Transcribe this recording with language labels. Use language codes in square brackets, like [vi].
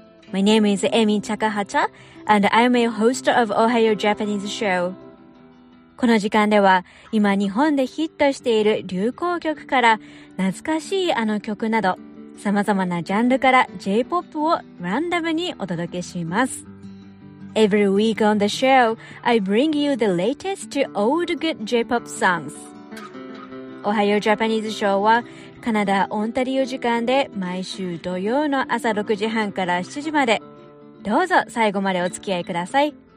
[en] My name is Amy Takahata and I'm a host of おはよう Japanese Show。 [ja] この時間では今日本でヒットしている流行曲から懐かしいあの曲など様々なジャンルから J-POP をランダムにお届けします。 [en] Every week on the show, I bring you the latest to old good J-POP songs. [ja] おはようジャパニーズショーはカナダ・オンタリオ時間で毎週土曜の朝6時半から7時まで。どうぞ最後までお付き合いください。